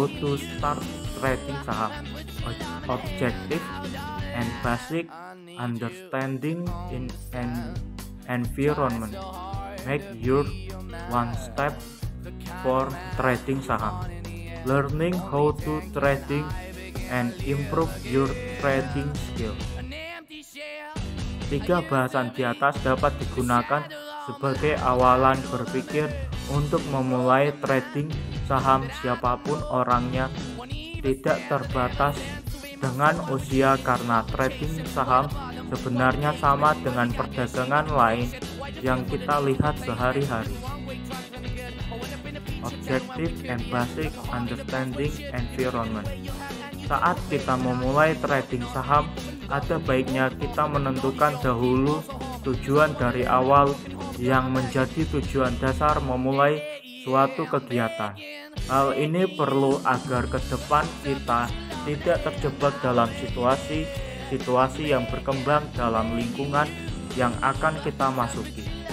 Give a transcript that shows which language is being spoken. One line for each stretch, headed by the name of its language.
English: How to start trading saham. Objective and basic understanding in an environment. Make your one step for trading saham. Learning how to trading and improve your trading skill.
Indonesian: Tiga bahasan di atas dapat digunakan sebagai awalan berpikir untuk memulai trading saham siapapun orangnya, tidak terbatas dengan usia karena trading saham sebenarnya sama dengan perdagangan lain yang kita lihat sehari-hari.
English: Objective and basic understanding environment.
Indonesian: Saat kita memulai trading saham, ada baiknya kita menentukan dahulu tujuan dari awal yang menjadi tujuan dasar memulai suatu kegiatan. Hal ini perlu agar ke depan kita tidak terjebak dalam situasi yang berkembang dalam lingkungan yang akan kita masuki.